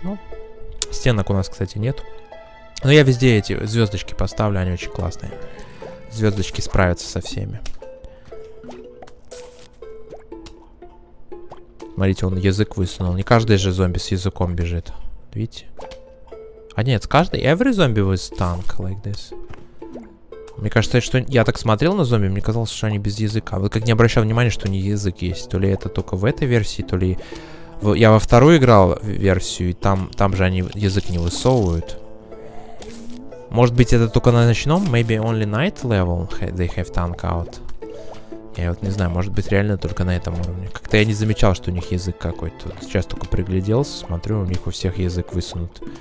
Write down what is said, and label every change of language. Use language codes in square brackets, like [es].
[ru] Ну, стенок у нас, кстати, нет. Но я везде эти звездочки поставлю, они очень классные. Звездочки справятся со всеми. Смотрите, он язык высунул. Не каждый же зомби с языком бежит. Видите? А нет, каждый... [en] Every zombie with tongue like this. [ru] Мне кажется, что... Я так смотрел на зомби, мне казалось, что они без языка. Вот как не обращал внимания, что у них язык есть. То ли это только в этой версии, то ли... Я во вторую играл версию, и там же они язык не высовывают. Может быть, это только на ночном? [en] Maybe only night level they have tongue out. [ru] Я вот не знаю, может быть реально только на этом уровне. Как-то я не замечал, что у них язык какой-то. Сейчас только пригляделся, смотрю, у них у всех язык высунут.